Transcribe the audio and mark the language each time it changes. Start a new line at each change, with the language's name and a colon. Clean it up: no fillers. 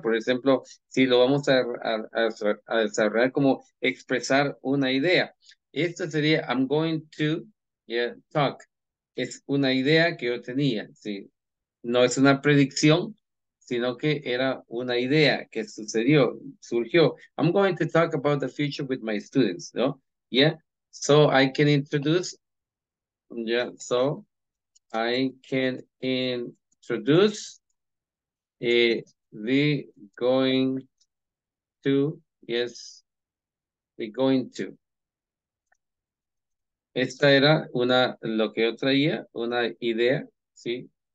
Spanish: Por ejemplo, si lo vamos a desarrollar como expresar una idea. Esto sería
English: I'm going to talk.
Spanish: Es una idea que yo tenía, sí. No es una predicción, sino que era una idea que sucedió, surgió.
English: I'm going to talk about the future with my students, ¿no? Yeah, so I can introduce, yeah, so I can introduce the going to, yes, the going to.
Spanish: Esta era una, lo que yo traía, una idea, ¿sí?